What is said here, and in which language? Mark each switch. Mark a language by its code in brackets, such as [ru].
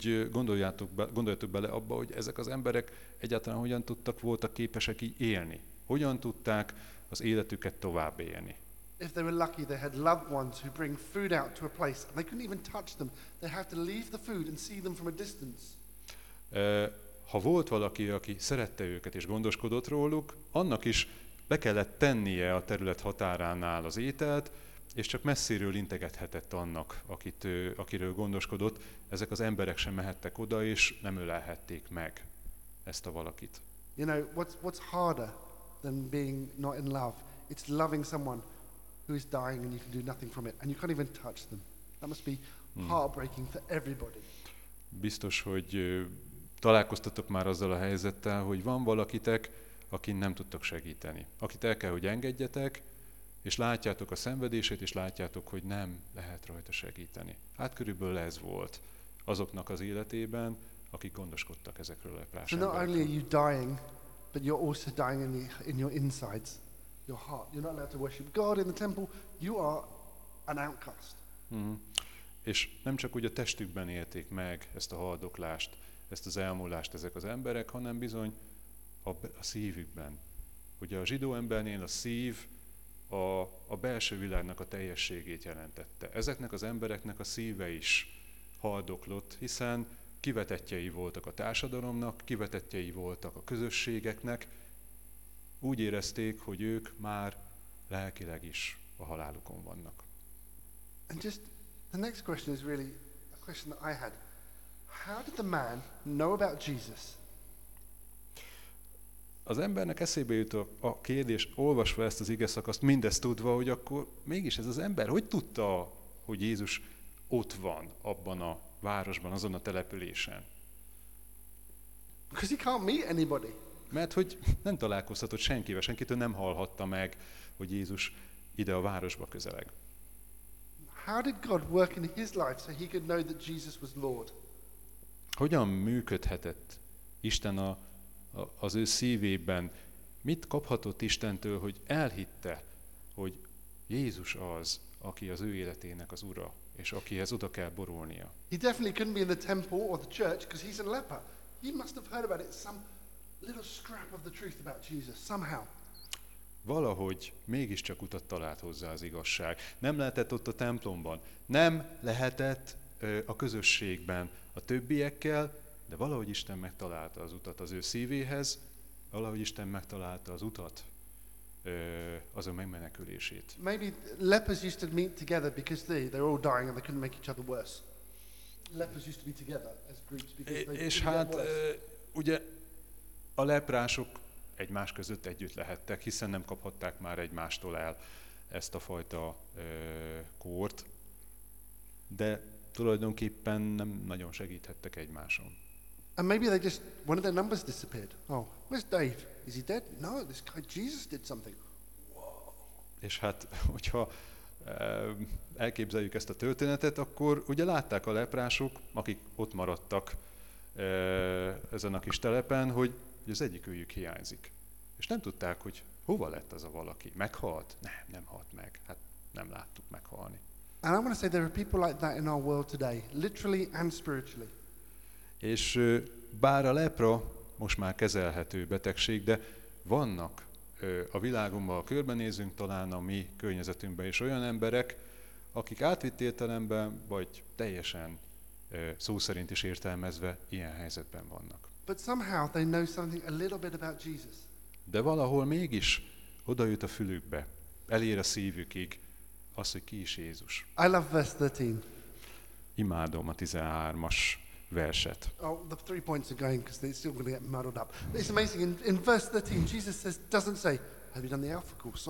[hu] Gondoljátok bele abba, hogy ezek az emberek egyáltalán hogyan tudtak, voltak képesek így élni. Hogyan tudták az életüket tovább élni. [en] If they were lucky, they had loved ones who bring food out to a place, and they couldn't even touch them. They have to leave the food and see them from a distance. [hu] Ha volt valaki, aki szerette őket és gondoskodott róluk, annak is be kellett tennie a terület határánál az ételt, és csak messziről integethetett annak, akiről gondoskodott. Ezek az emberek sem mehettek oda, és nem ölelhették meg ezt a valakit. [en] You know, what's harder than being not in love? It's loving someone who is dying and you can do nothing from it, and you can't even touch them. That must be heartbreaking for everybody. [hu] Biztos, hogy találkoztatok már azzal a helyzettel, hogy van valakitek, akin nem tudtok segíteni. Akit el kell, hogy engedjetek, és látjátok a szenvedését, és látjátok, hogy nem lehet rajta segíteni. Hát körülbelül ez volt azoknak az életében, akik gondoskodtak ezekről a leprás emberekről. [en] So not only are you dying, but you're also dying in your insides, your heart. You're not allowed to worship God in the temple, you are an outcast. [hu] És nem csak úgy a testükben élték meg ezt a haldoklást, ezt az elmúlást ezek az emberek, hanem bizony a szívükben. Ugye a zsidó embernél a szív a belső világnak a teljességét jelentette. Ezeknek az embereknek a szíve is haldoklott, hiszen kivetettjei voltak a társadalomnak, kivetettjei voltak a közösségeknek. Úgy érezték, hogy ők már lelkileg is a halálukon vannak. [en] And just the next question is really a question that I had. How did the man know about Jesus? [hu] Az embernek eszébe jut a kérdés, olvasva ezt az ige szakaszt, mindezt tudva, hogy akkor mégis ez az ember hogy tudta, hogy Jézus ott van abban a városban, azon a településen? [en] Because he can't meet anybody. [hu] Mert hogy nem találkozhatott senkivel, senkitől nem hallhatta meg, hogy Jézus ide a városba közeleg. [en] How did God work in his life so he could know that Jesus was Lord? [hu] Hogyan működhetett Isten az ő szívében? Mit kaphatott Istentől, hogy elhitte, hogy Jézus az, aki az ő életének az ura, és akihez oda kell borulnia? [en] He definitely couldn't be in the temple or the church because he's a leper. He must have heard about it, some little scrap of the truth about Jesus somehow. [hu] Valahogy mégiscsak utat talált hozzá az igazság. Nem lehetett ott a templomban, nem lehetett a közösségben a többiekkel, de valahogy Isten megtalálta az utat az ő szívéhez, valahogy Isten megtalálta az utat az ő megmenekülését. [en] Maybe lepers used to meet together because they're all dying and they couldn't make each other worse. Lepers used to be together as groups because they. [hu] És hát ugye a leprások egymás között együtt lehettek, hiszen nem kaphatták már egymástól el ezt a fajta kórt, de tulajdonképpen nem nagyon segíthettek egymáson. [en] And maybe they just one of their numbers disappeared. Oh, where's Dave? Is he dead? No, this guy Jesus did something. Wow. [hu] És hát, hogyha elképzeljük ezt a történetet, akkor ugye látták a leprások, akik ott maradtak ezen a kis telepen, hogy az egyikőjük hiányzik. És nem tudták, hogy hova lett az a valaki. Meghalt? Nem halt meg. Hát nem láttuk meghalni. [en] And I want to say there are people like that in our world today, literally and spiritually. [hu] És bár a lepra most már kezelhető betegség, de vannak a világunkban, körbenézünk talán a mi környezetünkben is olyan emberek, akik átvitt értelemben, vagy teljesen szó szerint is értelmezve ilyen helyzetben vannak. [en] But somehow they know something a little bit about Jesus. [hu] De valahol mégis oda jut a fülükbe, elér a szívükig az, hogy ki is Jézus. [en] I love verse 13. [hu] Imádom a 13-as verset. [en] Oh, the three points are going because they're still going to get muddled up. It's amazing. In verse 13, Jesus says, doesn't say, have you done the Alpha course?